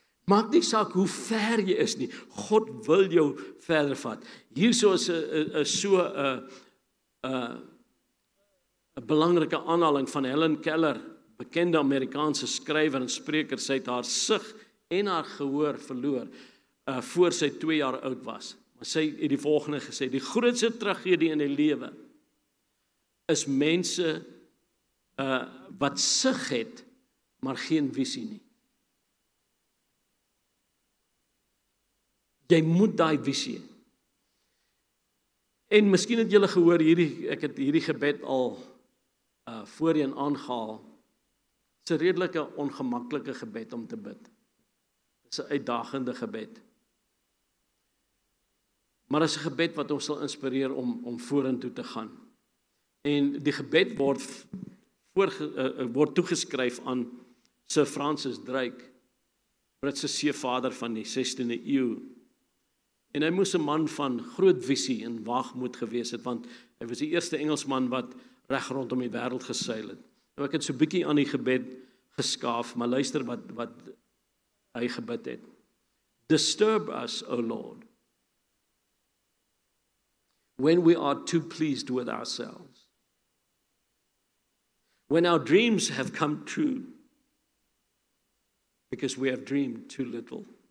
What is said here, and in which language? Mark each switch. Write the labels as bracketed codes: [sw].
[af] Maak nie saak hoe ver jy is nie. God wil jou verder vat. Hierso is so 'n belangrike aanhaling van Helen Keller, bekende Amerikaanse skrywer en spreker. Sy het haar sig en haar gehoor verloor voor sy 2 jaar oud was. Maar sy het die volgende gesê, die grootste tragedie in die lewe is mense wat sig het, maar geen visie nie. Jy moet daai visie. En miskien het julle gehoor ek het hierdie gebed al voorheen aangehaal. Dit is 'n redelike ongemaklike gebed om te bid. Dit is 'n uitdagende gebed. Maar dit is 'n gebed wat ons sal inspireer om vorentoe te gaan. En die gebed word toegeskryf aan Sir Francis Drake, Britse seevader van die 16de eeu. En hy moes 'n man van groot visie en waagmoed gewees het, want hy was die eerste Engelsman wat reg rondom die wêreld geseil het. Nou ek het so bietjie aan die gebed geskaaf, maar luister wat hy gebid het. [en] Disturb us, O Lord, when we are too pleased with ourselves. When our dreams have come true, because we have dreamed too little.